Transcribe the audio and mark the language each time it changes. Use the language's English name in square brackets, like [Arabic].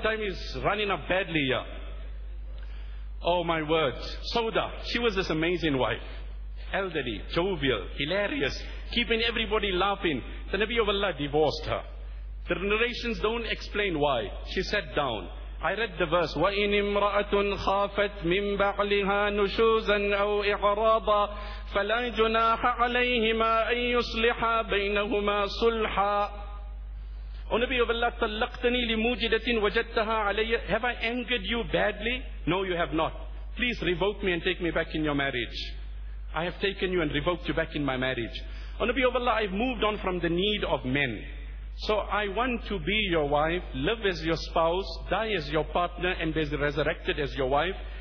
[English] Time is running up badly here. Oh my words. Sauda, she was this amazing wife. Elderly, jovial, hilarious, keeping everybody laughing. The Nabi of Allah divorced her. The narrations don't explain why. She sat down. I read the verse. [Arabic] وَإِنْ إِمْرَأَةٌ خَافَتْ مِنْ بَعْلِهَا نُشُوزًا أَوْ إِعْرَاضًا فَلَا جُنَاحَ عَلَيْهِمَا أَنْ يُصْلِحَا بَيْنَهُمَا صُلْحًا. [English] O Nabi of Allah, [Arabic] طَلَّقْتَنِي لِمُوجِدَةٍ وَجَدْتَهَا عَلَيَّ. [English] Have I angered you badly? No, you have not. Please revoke me and take me back in your marriage. I have taken you and revoked you back in my marriage. O Nabi of Allah, I've moved on from the need of men. So I want to be your wife, live as your spouse, die as your partner, and be resurrected as your wife.